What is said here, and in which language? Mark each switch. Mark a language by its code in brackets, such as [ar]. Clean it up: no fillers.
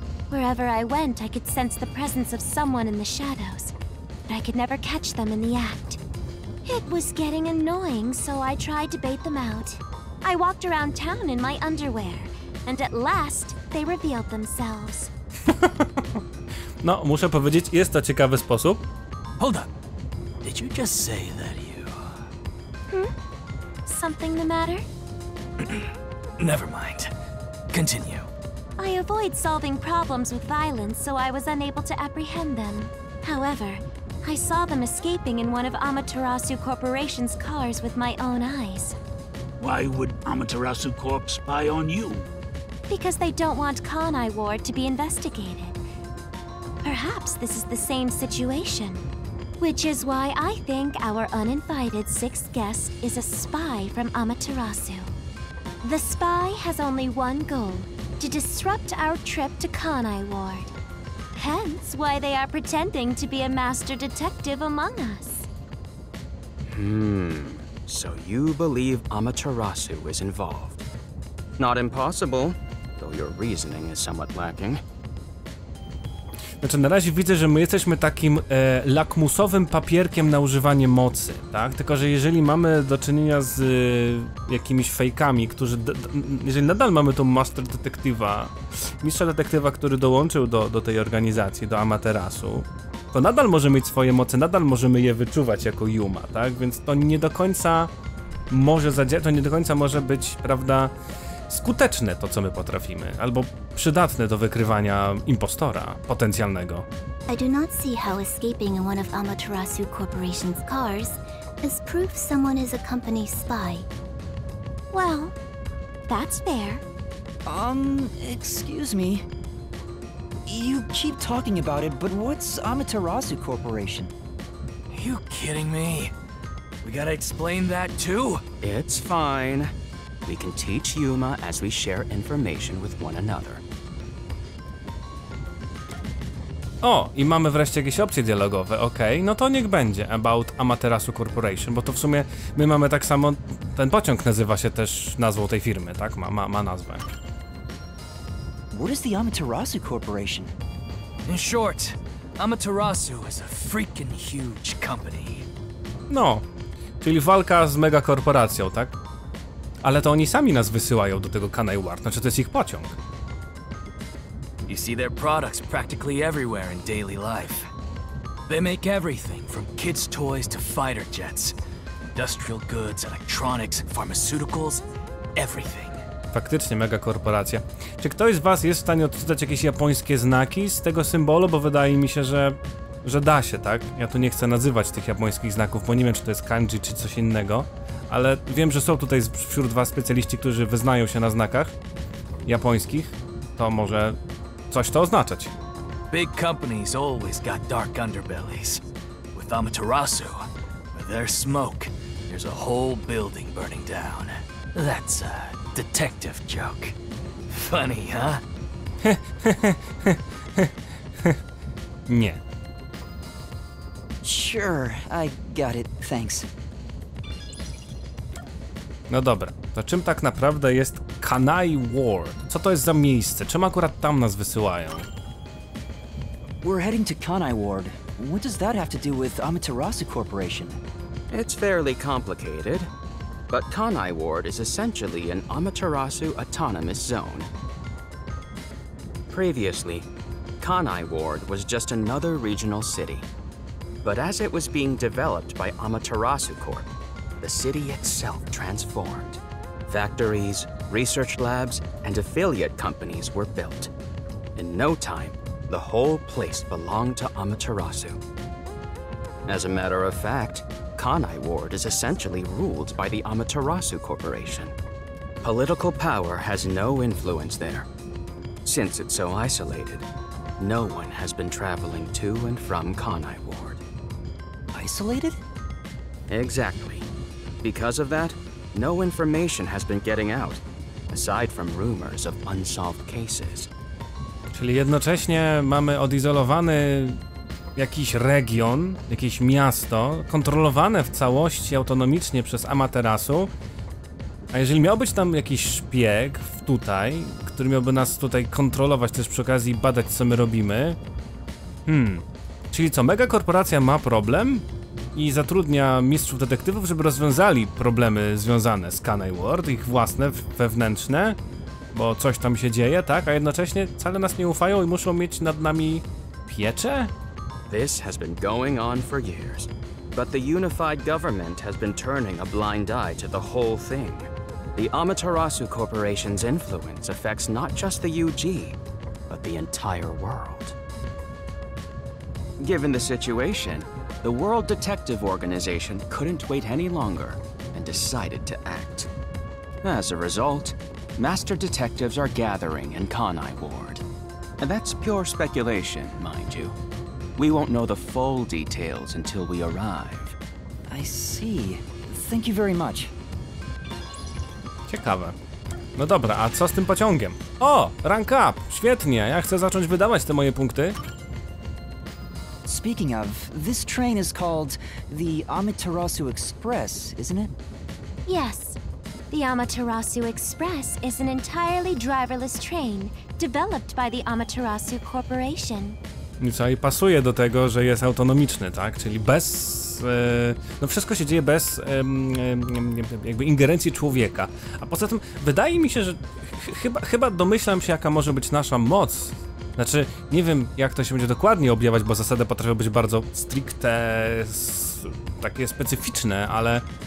[en] Wherever I went, I could sense the presence of someone in the shadows, but I could never catch them in the act. It was getting annoying, so I tried to bait them out. I walked around town in my underwear, and at last, they revealed themselves. [pl] No, muszę powiedzieć, jest to ciekawy sposób. [en] Hold up. Did you just say that you... Something the matter? Never mind. Continue. I avoid solving problems with violence, so I was unable to apprehend them. However, I saw them escaping in one of Amaterasu Corporation's cars with my own eyes. Why would Amaterasu Corp spy on you? Because they don't want Kanai Ward to be investigated. Perhaps this is the same situation. Which is why I think our uninvited sixth guest is a spy from Amaterasu. The spy has only one goal, to disrupt our trip to Kanai Ward. Hence why they are pretending to be a master detective among us. Hmm. So you believe Amaterasu is involved? Not impossible, though your reasoning is somewhat lacking. [pl] Znaczy, na razie widzę, że my jesteśmy takim lakmusowym papierkiem na używanie mocy, tak? Tylko, że jeżeli mamy do czynienia z jakimiś fejkami, którzy... jeżeli nadal mamy tą master detektywa, mistrza detektywa, który dołączył do tej organizacji, do Amaterasu, to nadal może mieć swoje moce, nadal możemy je wyczuwać jako Yuma, tak? Więc to nie do końca może zadziałać, to nie do końca może być, prawda, skuteczne to, co my potrafimy, albo przydatne do wykrywania impostora potencjalnego. [en] I do not see how escaping in one of Amaterasu Corporation's cars is proof someone is a company spy. Well, that's fair. Excuse me. You keep talking about it, but what's Amaterasu Corporation? Are you kidding me? We gotta explain that too? It's fine. We can teach Yuma as we share information with one another. [pl] O, i mamy wreszcie jakieś opcje dialogowe, okej, okay, no to niech będzie [en] about Amaterasu Corporation, [pl] bo to w sumie my mamy tak samo, ten pociąg nazywa się też nazwą tej firmy, tak? Ma nazwę. [en] What is the Amaterasu Corporation? In short, Amaterasu is a freaking huge company. [pl] No, czyli walka z megakorporacją, tak? Ale to oni sami nas wysyłają do tego Kanai Ward, znaczy to jest ich pociąg. [en] You see their products practically everywhere in daily life. They make everything from kids' toys to fighter jets. Industrial goods, electronics, pharmaceuticals, everything. [pl] Faktycznie mega korporacja. Czy ktoś z was jest w stanie odczytać jakieś japońskie znaki z tego symbolu? Bo wydaje mi się, że da się, tak? Ja tu nie chcę nazywać tych japońskich znaków, bo nie wiem, czy to jest kanji, czy coś innego. Ale wiem, że są tutaj wśród was specjaliści, którzy wyznają się na znakach japońskich. To może coś to oznaczać. [en] Big companies always got dark underbellies. With Amaterasu, with their smoke, there's a whole building burning down. That's a detective joke. Funny, huh? [pl] Nie. [en] Sure, I got it, thanks. [pl] No dobra, to czym tak naprawdę jest Kanai Ward? Co to jest za miejsce? Czemu akurat tam nas wysyłają? [en] We're heading to Kanai Ward. What does that have to do with Amaterasu Corporation? It's fairly complicated. But Kanai Ward is essentially an Amaterasu autonomous zone. Previously, Kanai Ward was just another regional city. But as it was being developed by Amaterasu Corp, the city itself transformed. Factories, research labs, and affiliate companies were built. In no time, the whole place belonged to Amaterasu. As a matter of fact, Kanai Ward is essentially ruled by the Amaterasu Corporation. Political power has no influence there. Since it's so isolated, no one has been traveling to and from Kanai Ward. Isolated? Exactly. Because of that, no information has been getting out, aside from rumors of unsolved cases. [pl] Czyli jednocześnie mamy odizolowany jakiś region, jakieś miasto, kontrolowane w całości autonomicznie przez Amaterasu. A jeżeli miał być tam jakiś szpieg tutaj, który miałby nas tutaj kontrolować, też przy okazji badać, co my robimy. Czyli co, mega korporacja ma problem? I zatrudnia mistrzów detektywów, żeby rozwiązali problemy związane z Kanai Ward, ich własne, wewnętrzne, bo coś tam się dzieje, tak? A jednocześnie wcale nas nie ufają i muszą mieć nad nami pieczę? [en] This has been going on for years, but the unified government has been turning a blind eye to the whole thing. The Amaterasu Corporation's influence affects not just the UG, but the entire world. Given the situation, the World Detective Organization couldn't wait any longer and decided to act. As a result, master detectives are gathering in Kanai Ward. And that's pure speculation, mind you. We won't know the full details until we arrive. I see. Thank you very much. [pl] Ciekawe. No dobra, a co z tym pociągiem? O, rank up! Świetnie, ja chcę zacząć wydawać te moje punkty. [en] Speaking of, this train is called the Amaterasu Express, isn't it? Yes. The Amaterasu Express is an entirely driverless train developed by the Amaterasu Corporation. [pl] I co, i pasuje do tego, że jest autonomiczny, tak? Czyli bez... no wszystko się dzieje bez jakby ingerencji człowieka. A poza tym wydaje mi się, że chyba domyślam się, jaka może być nasza moc. Znaczy, nie wiem, jak to się będzie dokładnie objawiać, bo zasady potrafią być bardzo stricte, takie specyficzne, ale...